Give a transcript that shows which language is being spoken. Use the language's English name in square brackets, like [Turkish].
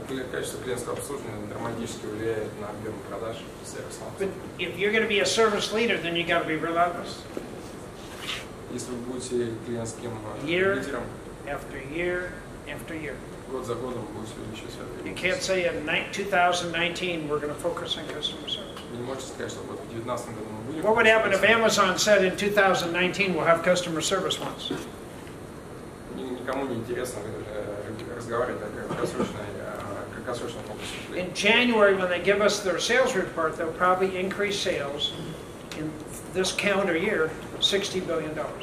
[Russian] Качество клиентского обслуживания драматически влияет на объем продаж сервиса. [English] But if you're gonna be a service leader, then you gotta be relentless. [Russian] Если вы будете клиентским [English] year [Russian] лидером, [English] after year after year. [Russian] Год за годом вы будете увеличивать свой бизнес. [English] You can't say in 2019 we're going to focus on customer service. [Russian] Вы не можете сказать, что в 2019 году мы будем. [English] What would happen if Amazon said in 2019 we'll have customer service once? [Russian] Никому не интересно разговаривать о краткосрочном фокусе. [English] In January, when they give us their sales report, they'll probably increase sales in this calendar year $60 billion.